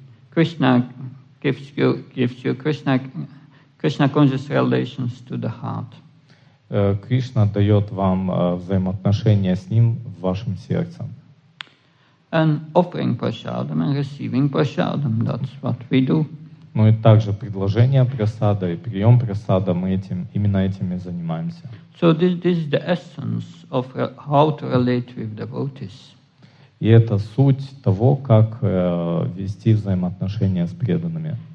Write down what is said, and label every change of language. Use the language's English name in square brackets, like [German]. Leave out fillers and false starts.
[English] Krishna gives you Krishna conscious relations to the heart. [Russian] Кришна дает вам взаимоотношения с ним в вашем сердце. [English] And offering prasadam and receiving prasadam, that's what we do. [Russian] Ну и также предложение прасада и прием прасада, мы этим и занимаемся. [English] So this is the essence of how to relate with devotees. [Russian] И это суть того, как вести взаимоотношения с преданными.